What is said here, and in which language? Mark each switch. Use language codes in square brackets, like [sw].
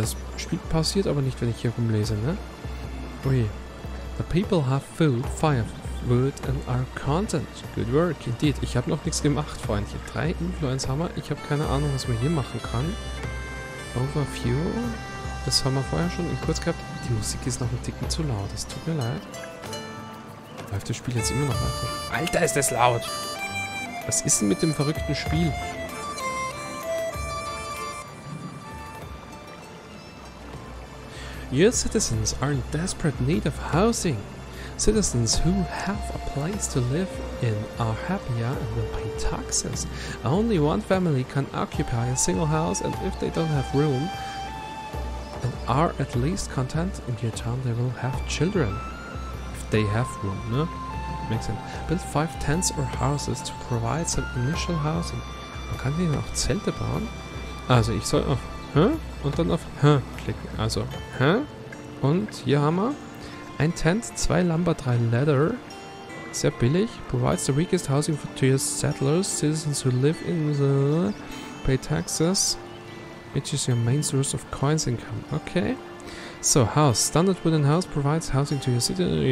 [de] Das Spiel passiert aber nicht, wenn ich hier rumlese, ne? Ui. [en] The people have food, firewood and are content. Good work, indeed. [de] Ich habe noch nichts gemacht, Freundchen. 3 Influence haben wir. Ich habe keine Ahnung, was man hier machen kann. Overview. Das haben wir vorher schon in kurz gehabt. Die Musik ist noch ein Ticken zu laut. Es tut mir leid. Läuft das Spiel jetzt immer noch weiter? Alter, ist das laut! Was ist denn mit dem verrückten Spiel? [en] Your citizens are in desperate need of housing. Citizens who have a place to live in are happier and will pay taxes. Only one family can occupy a single house, and if they don't have room and are at least content in your town, they will have children. If they have room, ne? Makes sense. Build 5 tents or houses to provide some initial housing. [de] Man kann hier auch Zelte bauen. Also ich soll auf und dann auf klicken. Also, hä? Und hier haben wir ein Tent, 2 Lumber, 3 Leather. Sehr billig. [en] Provides the weakest housing for two settlers. Citizens who live in the pay taxes, which is your main source of coins income. Okay. So, house. Standard wooden house provides housing to your city.